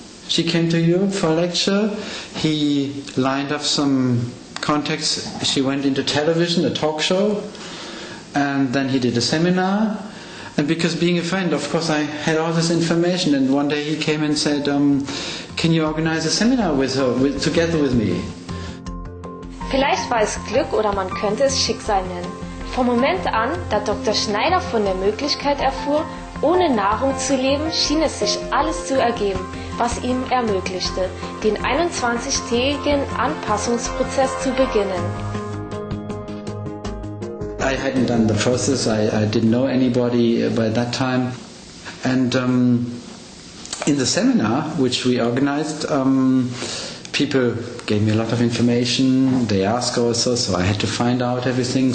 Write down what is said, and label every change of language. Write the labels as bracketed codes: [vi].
[en] She came to Europe for a lecture. He lined up some contacts. She went into television, a talk show, and then he did a seminar. And because being a friend, of course, I had all this information. And one day he came and said, can you organize a seminar with her, together with me? [de] Vielleicht war es Glück oder man könnte es Schicksal nennen. Vom Moment an, da Dr. Schneider von der Möglichkeit erfuhr, ohne Nahrung zu leben, schien es sich alles zu ergeben, was ihm ermöglichte, den 21-tägigen Anpassungsprozess zu beginnen. [en] I hadn't done the process, I didn't know anybody by that time. And in the seminar, which we organized, people gave me a lot of information, they asked also, so I had to find out everything.